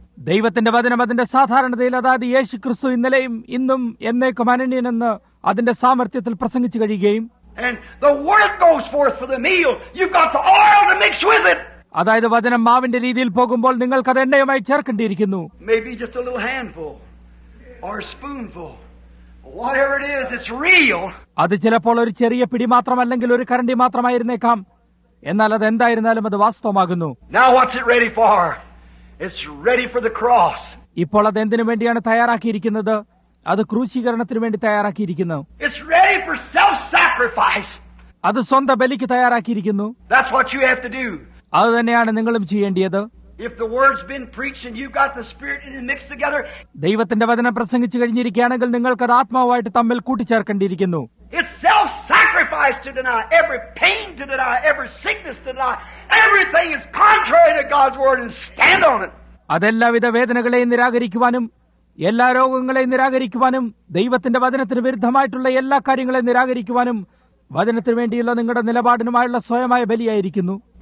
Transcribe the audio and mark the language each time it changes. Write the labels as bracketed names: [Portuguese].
[Malayalam] ദൈവത്തിന്റെ വചനം അതിന്റെ സാധാരണതയിൽ, അതായത് യേശു ക്രിസ്തു ഇന്നലെയും ഇന്നും എന്നേക്കും അനന്യനെന്ന് അതിന്റെ സാമർത്ഥ്യത്തിൽ പ്രസംഗിച്ചു കഴിയുകയും, [English] and the word goes forth for the meal, you've got the oil to mix with it. [Malayalam] അതായത് വചനം മാവിന്റെ രീതിയിൽ പോകുമ്പോൾ നിങ്ങൾക്ക് അത് എണ്ണയുമായി ചേർക്കേണ്ടിയിരിക്കുന്നു. [English] Maybe just a little handful or a spoonful, Whatever it is, it's real. [Malayalam] അത് ചിലപ്പോൾ ഒരു ചെറിയ പിടി മാത്രമല്ലെങ്കിൽ ഒരു കരണ്ടി മാത്രമായിരുന്നേക്കാം. എന്നാൽ അത് എന്തായിരുന്നാലും അത് വാസ്തവമാകുന്നു. [English] Now what's it ready for? It's ready for the cross. [Malayalam] ഇപ്പോൾ അത് എന്തിനു വേണ്ടിയാണ് തയ്യാറാക്കിയിരിക്കുന്നത്? അത് ക്രൂശീകരണത്തിന് വേണ്ടി തയ്യാറാക്കിയിരിക്കുന്നു. [English] It's ready for self-sacrifice. [Malayalam] അത് സ്വന്തം ബലിക്ക് തയ്യാറാക്കിയിരിക്കുന്നു. [English] That's what you have to do. [Malayalam] അത് തന്നെയാണ് നിങ്ങളും ചെയ്യേണ്ടത്. [English] If the word's been preached and you've got the spirit in it mixed together, [Malayalam] ദൈവത്തിന്റെ വചനം പ്രസംഗിച്ചു കഴിഞ്ഞിരിക്കുകയാണെങ്കിൽ നിങ്ങൾക്ക് അത് ആത്മാവുമായിട്ട് തമ്മിൽ കൂട്ടിച്ചേർക്കേണ്ടിയിരിക്കുന്നു. [English] It's self-sacrifice to deny every pain, to deny every sickness, to deny everything is contrary to God's word and stand on it. [Malayalam] അതെല്ലാ വിധ വേദനകളെയും നിരാകരിക്കുവാനും എല്ലാ രോഗങ്ങളെയും നിരാകരിക്കുവാനും ദൈവത്തിന്റെ വചനത്തിന് വിരുദ്ധമായിട്ടുള്ള എല്ലാ കാര്യങ്ങളെയും നിരാകരിക്കുവാനും വചനത്തിന് വേണ്ടിയുള്ള നിങ്ങളുടെ നിലപാടിനുമായുള്ള സ്വയമായ ബലിയായിരിക്കുന്നു.